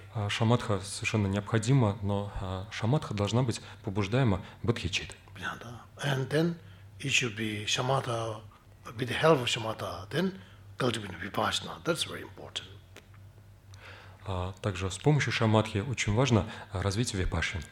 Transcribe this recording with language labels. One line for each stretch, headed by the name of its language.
Russian: Шамадха совершенно необходима, но шамадха должна быть побуждаема бодхичиттой. Yeah, да.
English: And then it should be shamatha, with the help of shamatha, then cultivating vipassana. That's very important.
Russian: Также с помощью шамадхи очень важно развить випашан.